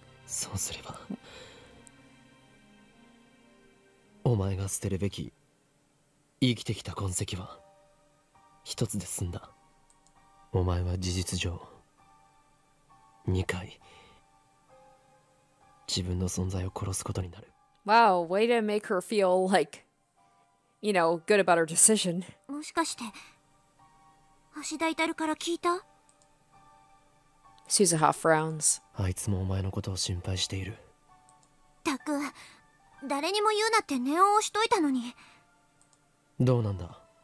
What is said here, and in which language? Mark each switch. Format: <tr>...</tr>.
<ja>そうすれば お前が捨てるべき生きてきた痕跡は一つで済んだ。お前は事実上2回自分の存在を殺すことになる。</ja> <en>Wow, way to make her feel like, you know, good about her decision.</en> <ja>もしかして橋田イタルから聞いた?</ja> <en>Suzuha frowns.</en> <ja>あいつもお前のことを心配している。たく。誰にも言うなって念を押しといたのに。どうなんだ?</ja>